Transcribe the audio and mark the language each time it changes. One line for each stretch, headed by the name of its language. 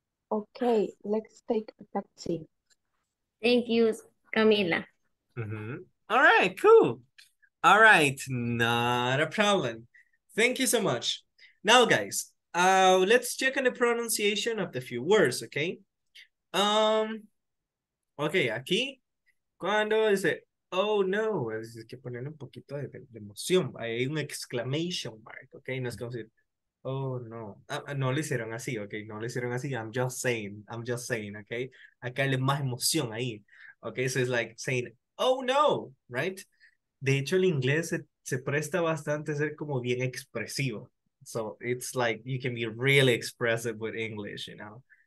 English: Okay, let's take a taxi. Thank you, Camila. Mm-hmm. All right, cool. All right, not a problem. Thank you so much. Now, guys, let's check on the pronunciation of the few words, okay?
Spanish: Okay, aquí, cuando dice, oh no, es que ponen un poquito de emoción. Hay un exclamation mark, okay? No es como decir, oh no. No lo hicieron así, okay? No lo hicieron así. I'm just saying, okay? Acá le más emoción ahí, okay? So it's like saying, oh no, right? De hecho, el inglés se presta bastante a ser como bien expresivo.
English: So it's like you can be really expressive with English, you know?